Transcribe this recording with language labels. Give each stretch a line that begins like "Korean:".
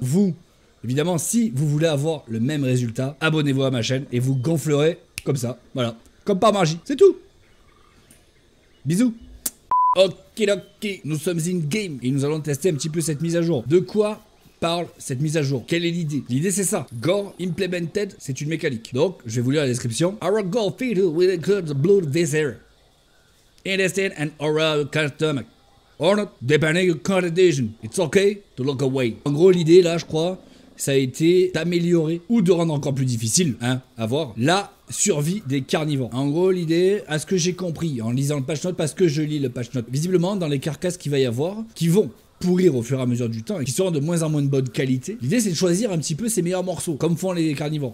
French: Vous, évidemment, si vous voulez avoir le même résultat, abonnez-vous à ma chaîne et vous gonflerez comme ça. Voilà. Comme par magie, c'est tout. Bisous. Okidoki, nous sommes in game et nous allons tester un petit peu cette mise à jour. De quoi parle cette mise à jour? Quelle est l'idée? L'idée c'est ça.
English: Gore implemented,
French: c'est une mécanique. Donc, je vais vous lire la description.
English: Our gore feature will include the blood visor. Interesting and oral custom. Or not, depending on condition. It's okay to look away.
French: En gros, l'idée là, je crois, ça a été d'améliorer ou de rendre encore plus difficile, hein, à voir. Là, survie des carnivores. En gros, l'idée, à ce que j'ai compris en lisant le patch note, parce que je lis le patch note, visiblement, dans les carcasses qu'il va y avoir, qui vont pourrir au fur et à mesure du temps et qui seront de moins en moins de bonne qualité, l'idée, c'est de choisir un petit peu ses meilleurs morceaux, comme font les carnivores.